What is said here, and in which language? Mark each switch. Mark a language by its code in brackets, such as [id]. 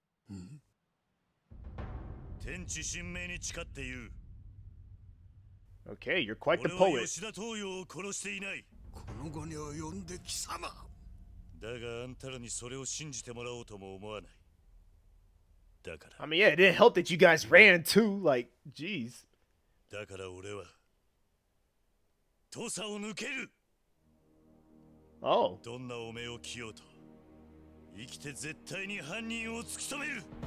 [ja] うん、天地神明に誓って言う。 [en] OK, you're quite the poet. [ja] 俺は吉田東洋を殺していない。この後に及んで貴様。だがあんたらにそれを信じてもらおうとも思わない。だから [en] I mean, yeah, it didn't help that you guys ran too. Like, geez. [ja] だから俺は土佐を抜ける。 [en] Oh. [ja] どんな汚名を着ようと生きて絶対に犯人を突き止める。